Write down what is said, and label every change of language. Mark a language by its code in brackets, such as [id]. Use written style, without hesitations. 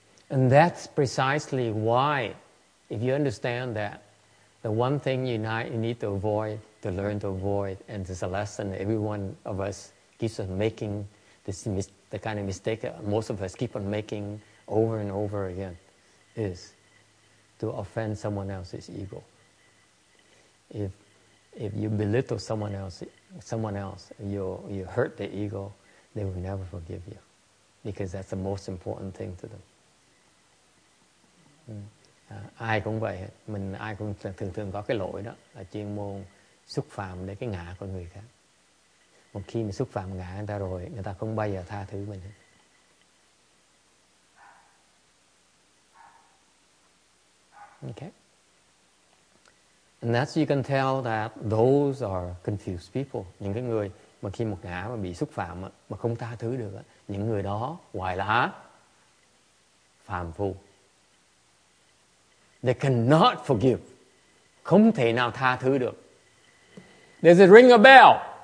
[en] And that's precisely why, if you understand that, the one thing you need to avoid, to learn to avoid, and there's a lesson every one of us keeps on making, the kind of mistake that most of us keep on making over and over again, is to offend someone else's ego. If you belittle someone else, you hurt the ego, they will never forgive you, because that's the most important thing to them. [vi] Ai cũng vậy, mình ai cũng thường thường có cái lỗi đó là chuyên môn xúc phạm đến cái ngã của người khác. Một khi mình xúc phạm ngã người ta rồi, người ta không bao giờ tha thứ mình. [en] Okay. And that's, you can tell that those are confused people. [vi] Những cái người mà khi một ngã mà bị xúc phạm mà không tha thứ được, những người đó hoài là phàm phu. [en] They cannot forgive. [vi] Không thể nào tha thứ được. [en] There's a ring a bell.